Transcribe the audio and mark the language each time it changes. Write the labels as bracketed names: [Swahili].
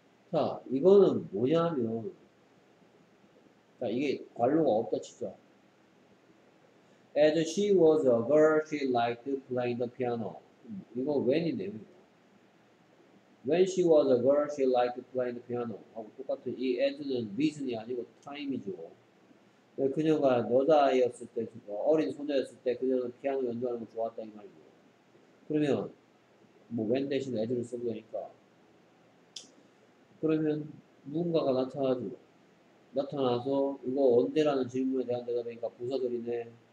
[Korean] 자, 이거는 뭐냐면, 자, 이게 관로가 없다 치죠. [English] As she was a girl, she liked playing the piano. [Korean] 이거 when이네요. [English] When she was a girl, she liked playing the piano. [Korean] 하고 똑같아. 이 as는 reason이 아니고 time이죠. 그녀가 여자아이였을 때, 어린 소녀였을 때 그녀는 피아노 연주하는 거 좋았다 이 말이에요. 그러면 뭐 when 대신 애들을 써도 되니까 그러면 누군가가 나타나죠. 나타나서 이거 언제라는 질문에 대한 대답이니까 부사절이네.